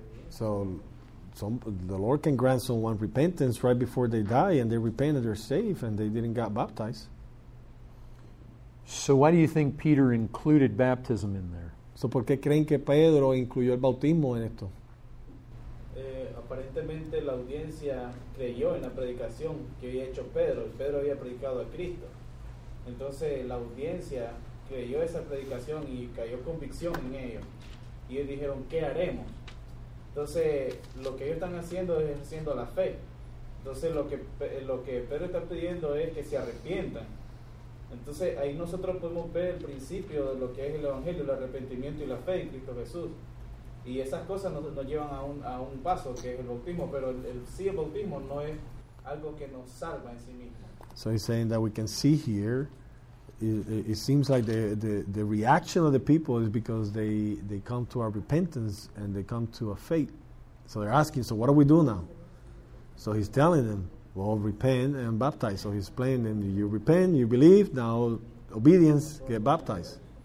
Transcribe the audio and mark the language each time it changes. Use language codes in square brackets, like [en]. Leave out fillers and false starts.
[en] So the Lord can grant someone repentance right before they die, and they repented, they're safe, and they didn't get baptized. So why do you think Peter included baptism in there? [es] So ¿por qué creen que Pedro incluyó el bautismo en esto? Aparentemente la audiencia creyó en la predicación que había hecho Pedro. Pedro había predicado a Cristo. Entonces la audiencia creyó esa predicación y cayó convicción en ello. Y ellos dijeron, ¿qué haremos? Entonces lo que ellos están haciendo es ejerciendo la fe. Entonces lo que Pedro está pidiendo es que se arrepientan. Entonces ahí nosotros podemos ver el principio de lo que es el Evangelio, el arrepentimiento y la fe en Cristo Jesús. Y esas cosas nos llevan a un paso que es el bautismo, pero el bautismo no es algo que nos salva en sí mismo. [en] So he's saying that we can see here, it seems like the reaction of the people is because they come to our repentance and they come to a faith. So they're asking, so what do we do now? So he's telling them, well, repent and baptize. So he's explaining them, you repent, you believe, now obedience, get baptized.